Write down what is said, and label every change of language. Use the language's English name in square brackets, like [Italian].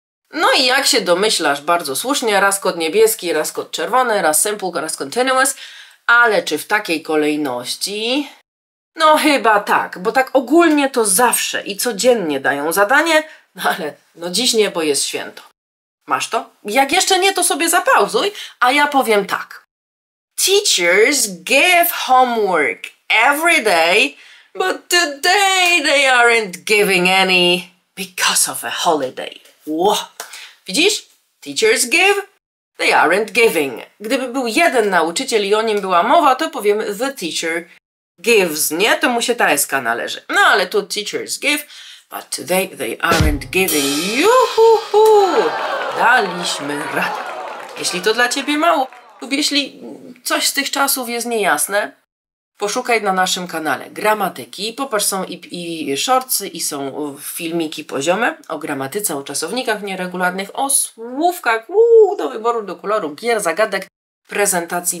[Polish] No i jak się domyślasz, bardzo słusznie, raz kod niebieski, raz kod czerwony, raz simple, raz continuous, ale czy w takiej kolejności? No chyba tak, bo tak ogólnie to zawsze i codziennie dają zadanie, no ale no dziś nie, bo jest święto. Masz to? Jak jeszcze nie, to sobie zapauzuj, a ja powiem tak. [English] Teachers give homework every day, but today they aren't giving any because of a holiday. Wow. [Polish] Widzisz? [English] Teachers give, they aren't giving. [Polish] Gdyby był jeden nauczyciel i o nim była mowa, to powiemy [English] the teacher gives, [Polish] nie? To mu się ta eska należy. No ale tu [English] teachers give, but today they aren't giving. [Polish] Juhuhu! Daliśmy radę. Jeśli to dla ciebie mało, lub jeśli coś z tych czasów jest niejasne, poszukaj na naszym kanale gramatyki. Popatrz, są i shortsy, i są filmiki poziome o gramatyce, o czasownikach nieregularnych, o słówkach, do wyboru, do koloru, gier, zagadek, prezentacji.